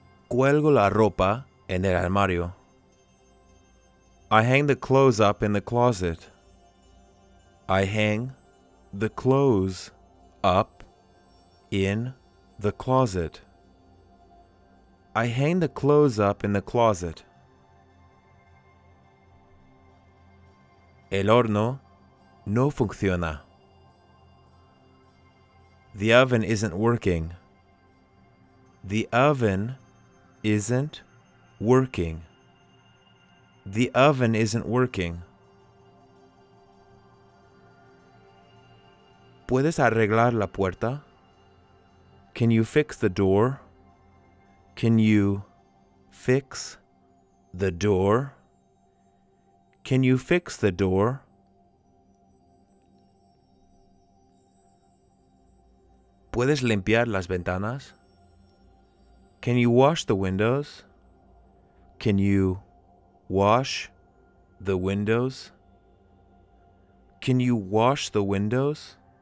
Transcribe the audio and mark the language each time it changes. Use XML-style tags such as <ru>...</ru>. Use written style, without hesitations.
<es>Cuelgo la ropa en el armario.</es> <en>I hang the clothes up in the closet. I hang the clothes up in the closet. I hang the clothes up in the closet.</en> <es>El horno no funciona.</es> <en>The oven isn't working. The oven isn't working. The oven isn't working.</en> <es>¿Puedes arreglar la puerta?</es> <en>Can you fix the door? Can you fix the door? Can you fix the door?</en> <es>¿Puedes limpiar las ventanas?</es> <en>Can you wash the windows? Can you wash the windows? Can you wash the windows?</en>